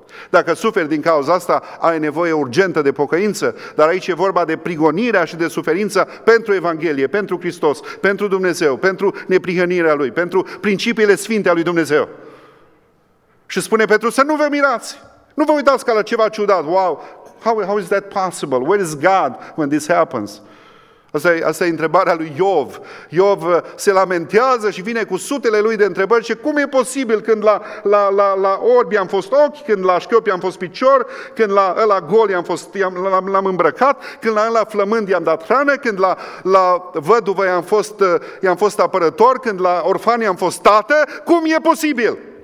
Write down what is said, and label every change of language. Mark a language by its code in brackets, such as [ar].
[ro] Dacă suferi din cauza asta, ai nevoie urgentă de pocăință, dar aici e vorba de prigonirea și de suferința pentru Evanghelie, pentru Hristos, pentru Dumnezeu, pentru neprihănirea Lui, pentru principiile sfinte ale Lui Dumnezeu. Și spune Petru să nu vă mirați, nu vă uitați ca la ceva ciudat. [en] Wow, how is that possible? Where is God when this happens? [ro] Asta e întrebarea lui Iov. Iov se lamentează și vine cu sutele lui de întrebări. Și cum e posibil când la orbi am fost ochi, când la șchiopi am fost picior, când la ăla gol l-am îmbrăcat, când la ăla flămând i-am dat hrană, când la văduvă i-am fost apărător, când la orfani am fost tată? Cum e posibil?